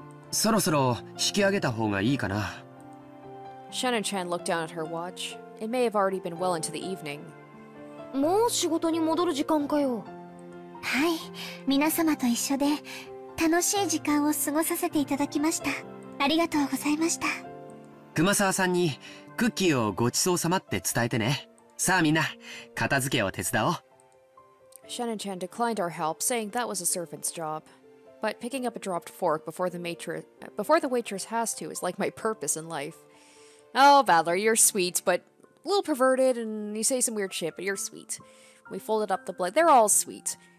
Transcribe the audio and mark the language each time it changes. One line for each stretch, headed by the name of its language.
Japanese: そろそろ引き上げた方がいいかな。
English: Shannon-chan looked down at her watch. It may have already been well into the evening.
Japanese: もう仕事に戻る時間かよ。はい、皆様と一緒で楽しい時間を過ごさせていただきました。ありがとうございました。熊沢さんにクッキーをごちそうさまって伝えてね。さあみんな、片付けを手伝おう。
English: Shannon-chan declined our help, saying that was a servant's job. But picking up a dropped fork before the waitress has to is like my purpose in life. Oh, Valor, you're sweet, but a little perverted, and you say some weird shit, but you're sweet. We folded up the blanket. They're all sweet.